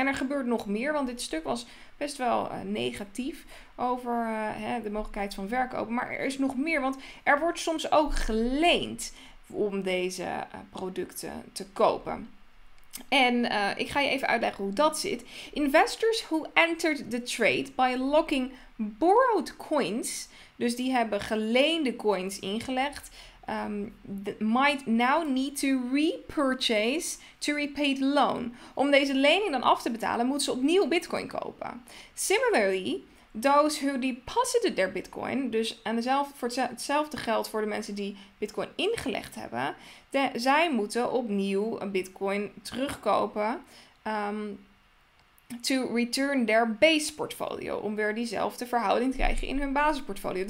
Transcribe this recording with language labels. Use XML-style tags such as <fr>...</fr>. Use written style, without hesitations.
<nl>En er gebeurt nog meer, want dit stuk was best wel negatief over de mogelijkheid van verkopen. Maar er is nog meer, want er wordt soms ook geleend om deze producten te kopen. En ik ga je even uitleggen hoe dat zit.</nl> <en>Investors who entered the trade by locking borrowed coins,</en> <nl>dus die hebben geleende coins ingelegd,</nl> <en>might now need to repurchase to repay the loan.</en> <nl>Om deze lening dan af te betalen, moeten ze opnieuw bitcoin kopen.</nl> <en>Similarly, those who deposited their bitcoin,</en> <nl>dus aan hetzelfde geld voor de mensen die bitcoin ingelegd hebben, zij moeten opnieuw een bitcoin terugkopen</nl> <en>to return their base portfolio,</en> <nl>om weer diezelfde verhouding te krijgen in hun basisportfolio.</nl>